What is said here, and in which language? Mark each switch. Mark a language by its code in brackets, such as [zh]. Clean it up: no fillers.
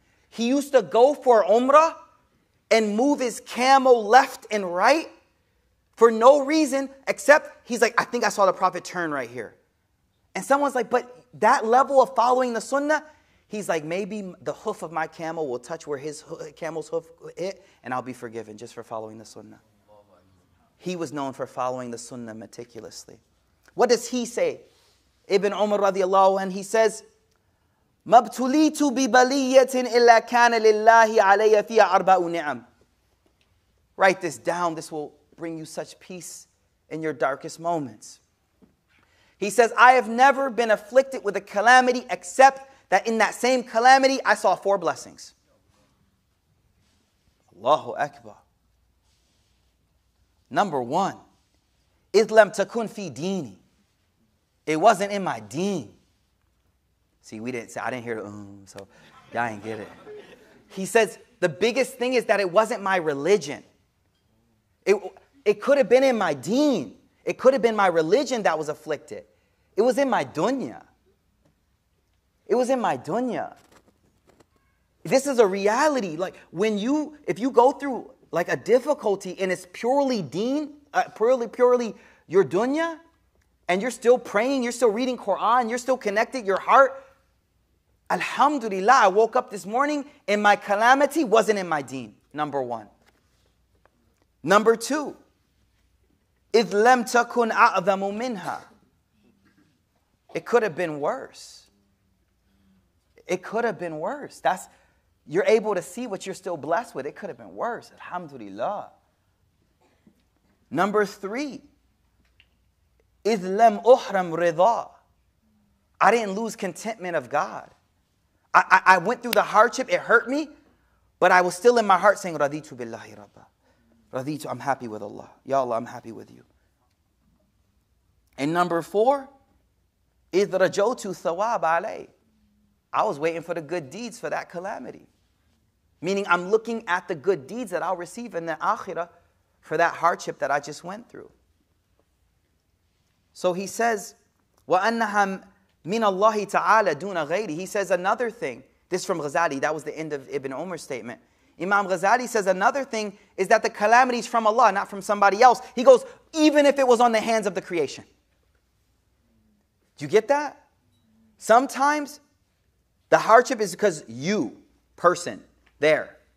[en] He used to go for umrah and move his camel left and right for no reason, except he's like, I think I saw the Prophet turn right here. And someone's like, but that level of following the sunnah, he's like, maybe the hoof of my camel will touch where his camel's hoof hit, and I'll be forgiven just for following the sunnah. He was known for following the sunnah meticulously. What does he say? [ar] Ibn Umar radiallahu anhu, [en] and he says, [ar] مَبْتُلِيتُ بِبَلِيَّةٍ إِلَّا كَانَ لِلَّهِ عَلَيَّ فِيَ أَرْبَعُ نِعَمٍ. [en] Write this down. This will bring you such peace in your darkest moments. He says, I have never been afflicted with a calamity except that in that same calamity, I saw four blessings. Allahu Akbar. Number one, [ar] إِذْ لَمْ تَكُنْ فِي دِينِ. [en] It wasn't in my deen. See, we didn't say, I didn't hear the so y'all ain't get it. He says, the biggest thing is that it wasn't my religion. It could have been in my deen. It could have been my religion that was afflicted. It was in my dunya. It was in my dunya. This is a reality. Like, when you, if you go through, like, a difficulty and it's purely deen, purely your dunya, and you're still praying, you're still reading Quran, you're still connected, your heart, alhamdulillah, I woke up this morning and my calamity wasn't in my deen, number one. Number two, [ar] إِذْ لَمْ تَكُنْ أَعْظَمُ مِنْهَا. [en] It could have been worse. It could have been worse. That's, you're able to see what you're still blessed with. It could have been worse. Alhamdulillah. Number three, [ar] إِذْ لَمْ أُحْرَمْ رِضَى. [en] I didn't lose contentment of God. I went through the hardship. It hurt me. But I was still in my heart saying, [ar] رَضِيتُ بِاللَّهِ رَبَّا. رَضِيتُ, [en] I'm happy with Allah. Ya Allah, I'm happy with you. And number four, [ar] إِذْ رَجَوْتُ ثَوَابَ عَلَيْهِ. [en] I was waiting for the good deeds for that calamity. Meaning I'm looking at the good deeds that I'll receive in the akhirah for that hardship that I just went through. So he says, [ar] وَأَنَّهَا مِنَ اللَّهِ تَعَالَى دُونَ غَيْرِهِ. [en] He says another thing. This is from Ghazali. That was the end of Ibn Umar's statement. Imam Ghazali says another thing is that the calamity is from Allah, not from somebody else. He goes, even if it was on the hands of the creation. Do you get that? Sometimes the hardship is because you, person, there.